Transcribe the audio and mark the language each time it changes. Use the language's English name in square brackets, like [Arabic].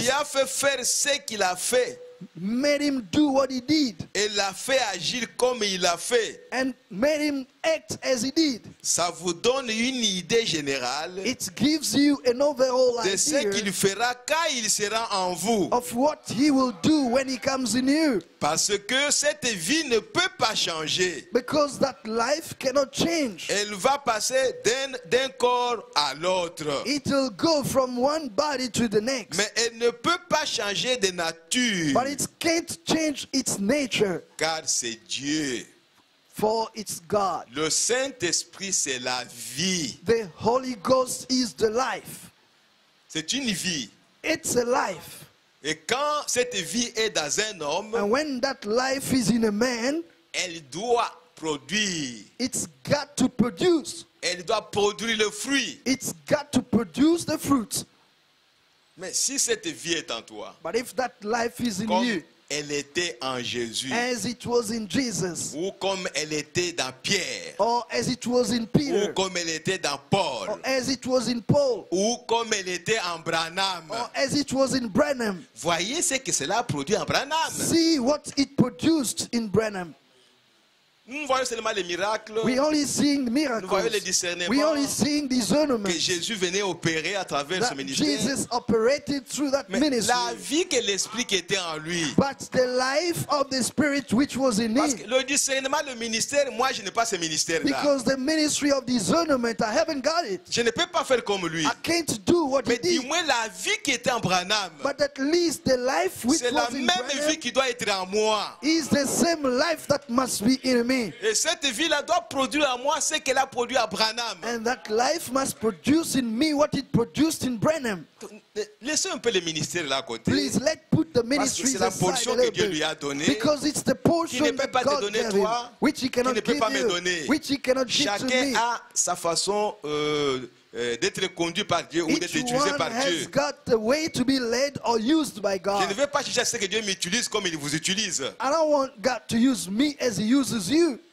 [French] lui a fait faire ce qu'il a fait, [English] made him do what he did, [French] et l'a fait agir comme il l'a fait, [English] and made him act as he did, [French] ça vous donne une idée générale, [English] it gives you an overall [French] de ce qu'il fera quand il sera en vous, [English] of what he will do when he comes in you, [French] parce que cette vie ne peut pas changer, [English] because that life cannot change, [French] elle va passer d'un corps à l'autre, [English] it will go from one body to the next, [French] mais elle ne peut pas changer de nature, [English] but it can't change its nature, [French] car c'est Dieu. [English] For it's God. [French] Le Saint-Esprit, c'est la vie. [English] The Holy Ghost is the life. [French] C'est une vie. [English] It's a life. [French] Et quand cette vie est dans un homme, [English] and when that life is in a man, [French] elle doit produire. [English] It's got to produce. [French] Elle doit produire le fruit. [English] It's got to produce the fruit. [French] Mais si cette vie est en toi, [English] but if that life is in you, [French] elle était en Jésus, [English] as it was in Jesus, [French] ou comme elle était dans Pierre, [English] or as it was in Peter, [French] ou comme elle était dans Paul, [English] or as it was in Paul, [French] ou comme elle était en Branham, [English] or as it was in Branham. [French] Voyez ce que cela a produit en Branham. [English] See what it produced in Branham. [French] Nous voyons seulement les miracles. [English] We only seeing miracles. [French] Nous voyons les discernements. [English] We only seeing discernments. [French] Que Jésus venait opérer à travers [English] that [French] ce ministère. [English] Jesus operated through that [French] mais [English] ministry. [French] La vie que l'esprit qui était en lui. [English] But the life of the spirit which was in [French] parce [English] him. [French] Parce que le discernement, le ministère, moi je n'ai pas ce ministère là. [English] Because the ministry of discernment, I haven't got it. [French] Je ne peux pas faire comme lui. [English] I can't do what [French] mais [English] he did. [French] Mais dis-moi la vie qui était en Branham. [English] But at least the life which [French] c'est [English] was in [French] même [English] Branham [French] vie qui doit être en moi. [English] Is the same life that must be in me. [French] Et cette vie-là doit produire en moi ce qu'elle a produit à Branham. [English] And that life must produce in me what it produced in Branham. [French] Laissez un peu le ministère là à côté. [English] Please let put the ministry aside. [French] Parce que c'est la portion que Dieu lui a donnée. [English] Because it's the portion [French] qui ne peut pas te donner toi, [English] which he cannot give you, [French] donner. [English] Which he cannot give [French] chacun [English] to me. [French] A sa façon d'être conduit par Dieu [English] each [French] ou d'être utilisé par [English] has [French] Dieu. [English] Got the way to be led or used by God. [French] Je ne veux pas chercher à ce que Dieu m'utilise comme il vous utilise. [English] I don't want God to use me as he uses you.